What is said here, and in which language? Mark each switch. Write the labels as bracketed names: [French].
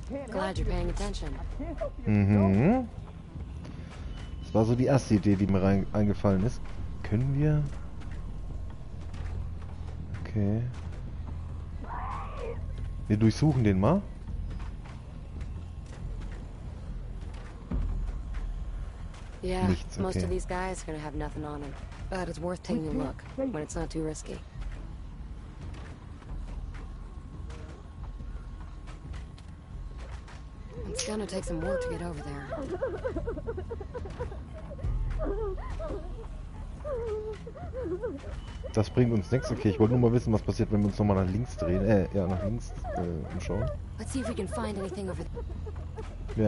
[English] Glad you're paying attention. [German] Das war so die erste Idee, die mir eingefallen ist. Können wir? Okay. Wir durchsuchen den mal. Yeah, nichts, okay. [English] Most of these guys are gonna have nothing on them. But it's worth taking a look when it's not too risky. It's gonna take some work to get over there. [German] Das bringt uns nichts. Okay, ich wollte nur mal wissen, was passiert, wenn wir uns nochmal nach links drehen. Nach links umschauen. [English] Let's see if we can find anything over there.